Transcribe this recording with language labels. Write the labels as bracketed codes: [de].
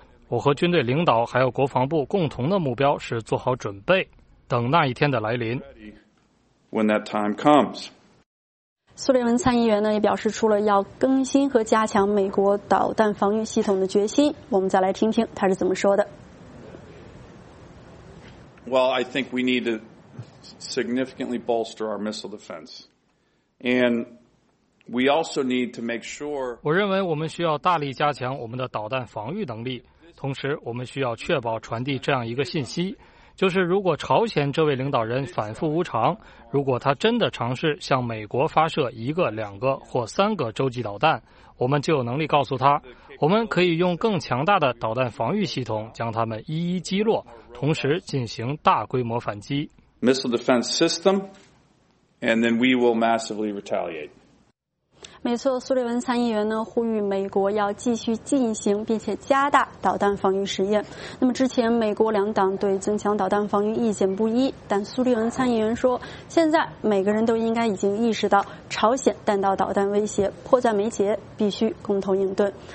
[zh] 我和军队领导还有国防部共同的目标是做好准备，等那一天的来临。苏利文参议员呢也表示出了要更新和加强美国导弹防御系统的决心，我们再来听听他是怎么说的。 [en] Well, I think we need to significantly bolster our missile defense. And we also need to make sure. [zh] 我认为我们需要大力加强我们的导弹防御能力，同时我们需要确保传递这样一个信息，就是如果朝鲜这位领导人反复无常，如果他真的尝试向美国发射一个、两个或三个洲际导弹，我们就有能力告诉他，我们可以用更强大的导弹防御系统将他们一一击落，同时进行大规模反击。 [en] Missile defense system, and then we will massively retaliate. [zh] 没错，苏利文参议员呢呼吁美国要继续进行并且加大导弹防御实验。那么之前美国两党对增强导弹防御意见不一，但苏利文参议员说，现在每个人都应该已经意识到朝鲜弹道导弹威胁迫在眉睫，必须共同应对。